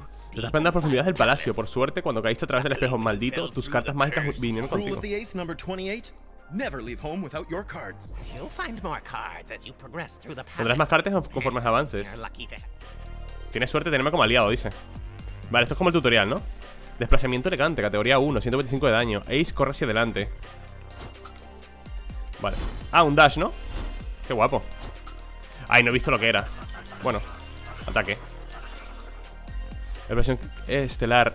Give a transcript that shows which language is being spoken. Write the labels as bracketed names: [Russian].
[Spanish] Te estás esperando a profundidad del palacio. Por suerte, cuando caíste a través del espejo maldito, tus cartas mágicas vinieron contigo. [English] Rule of the Ace number 28. Never leave home without your cards. You'll find more cards as you progress through the palace. [Spanish] Tendrás más cartas conforme avances. Tienes suerte de tenerme como aliado, dice. Vale, esto es como el tutorial, ¿no? Desplazamiento elegante, categoría 1, 125 de daño. Ace corre hacia adelante. Vale. Ah, un dash, ¿no? Qué guapo. Ay, no he visto lo que era. Bueno, ataque. Explosión estelar.